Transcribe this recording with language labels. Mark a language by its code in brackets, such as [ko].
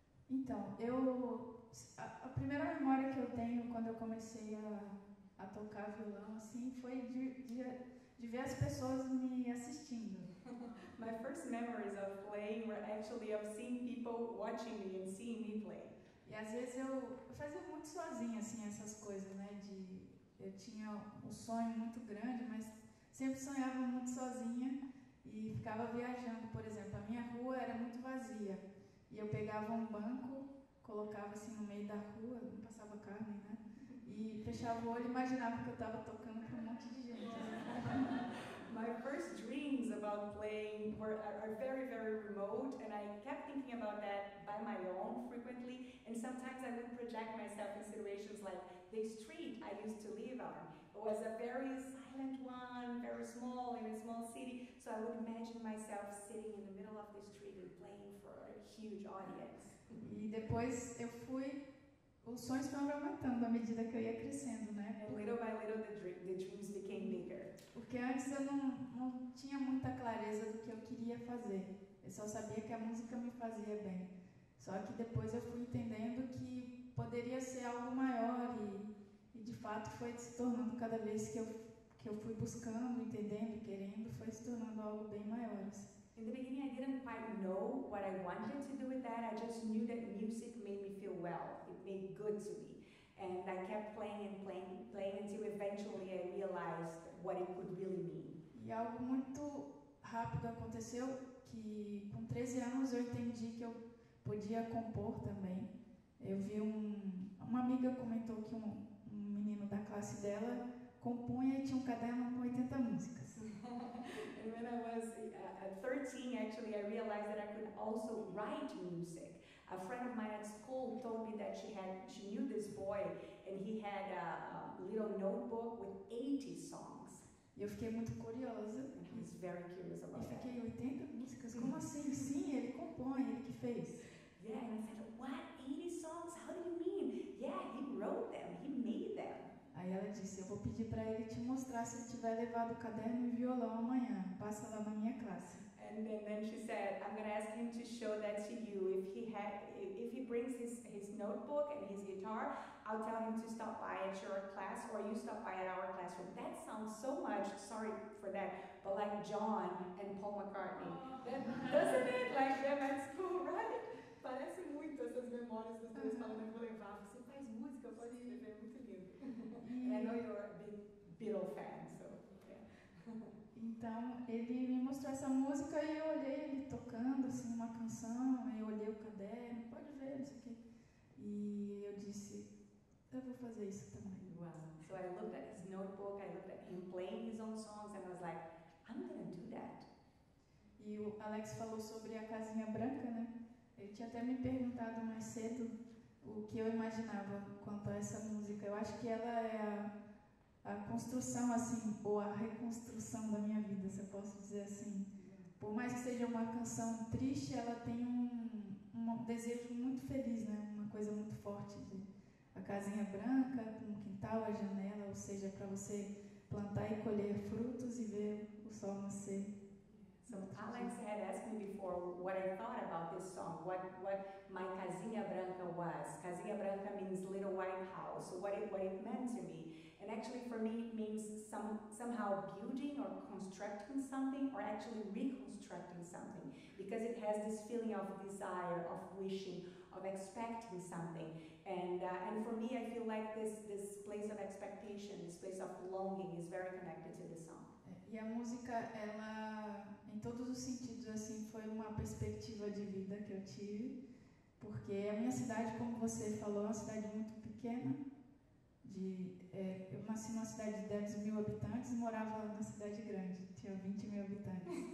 [pt] Então, a primeira memória que eu tenho quando eu comecei a tocar violão assim, foi de ver as pessoas me assistindo. [en] My first memories of playing were actually of seeing people watching me and seeing me play. [pt] E às vezes eu fazia muito sozinha assim, essas coisas, né? Eu tinha um sonho muito grande, mas sempre sonhava muito sozinha e ficava viajando. Por exemplo, a minha rua era muito vazia. E eu pegava um banco, colocava assim no meio da rua, não passava carro nem nada, e fechava o olho e imaginava que eu estava tocando para um monte de gente. [en] My first dreams about playing are very, very remote, and I kept thinking about that by my own frequently, and sometimes I would project myself in situations like the street I used to live on. It was a very silent one, very small, in a small city, so I would imagine myself sitting in the middle of the street and playing for a huge audience. [pt] E depois eu fui, os sonhos foram aumentando à medida que eu ia crescendo, né? [en] And little by little the dreams became bigger. [pt] Porque antes eu não tinha muita clareza do que eu queria fazer. Eu só sabia que a música me fazia bem. Só que depois eu fui entendendo que poderia ser algo maior e de fato foi se tornando cada vez que eu fui buscando, entendendo, querendo, foi se tornando algo bem maior. [en] In the beginning I didn't quite know what I wanted to do with that. I just knew that music made me feel well. It made good to me. And I kept playing and playing until eventually I realized what it could really mean. [pt] E algo muito rápido aconteceu, que com 13 anos eu entendi que eu podia compor também. Eu vi uma amiga comentou que um menino da classe dela compunha e tinha um caderno com 80 músicas. [en] And when I was 13, actually, I realized that I could also write music. A friend of mine at school told me that she knew this boy, and he had a little notebook with 80 songs. [pt] E eu fiquei muito curiosa. [en] And he's very curious about [pt] that. E fiquei, 80 músicas? Como assim? Sim, ele compõe, ele que fez. [en] Yeah, and I said, what, 80 songs? How do you mean? Yeah, he wrote them, he made them. [pt] Aí ela disse, eu vou pedir para ele te mostrar se ele tiver levado o caderno e violão amanhã. Passa lá na minha classe. [en] And then she said, I'm gonna ask him to show that to you. If he brings his notebook and his guitar, I'll tell him to stop by at your class or you stop by at our classroom. That sounds so much, sorry for that, but like John and Paul McCartney. Doesn't it? Like them at school, right? [pt] Parece muito essas memórias que vocês falam, eu vou levar. Você faz música, pode escrever, muito lindo. [en] I know you're a big Beatle fan, so yeah. [pt] Então, ele me mostrou essa música e eu olhei ele tocando assim, uma canção, aí eu olhei o caderno, pode ver, não sei o quê. E eu disse, eu vou fazer isso também. [en] Wow. So I looked at his notebook, I looked at him playing his own songs, and I was like, I'm gonna do that. [pt] E o Alex falou sobre a Casinha Branca, né? Ele tinha até me perguntado mais cedo o que eu imaginava quanto a essa música. Eu acho que ela é a construção, assim, ou a reconstrução da minha vida, se eu posso dizer assim. Por mais que seja uma canção triste, ela tem um desejo muito feliz, né? Uma coisa muito forte de a casinha branca, com o quintal, a janela, ou seja, para você plantar e colher frutos e ver o sol nascer. [en] So Alex had asked me before what I thought about this song, what my Casinha Branca was. Casinha Branca means little white house, so what it meant to me. And actually for me it means somehow building or constructing something, or actually reconstructing something, because it has this feeling of desire, of wishing, of expecting something. And for me, I feel like this place of expectation, this place of longing is very connected to the song. [pt] E a música, ela, em todos os sentidos, assim, foi uma perspectiva de vida que eu tive, porque a minha cidade, como você falou, é uma cidade muito pequena. Eu nasci numa cidade de 10 mil habitantes e morava na cidade grande, tinha 20 mil habitantes.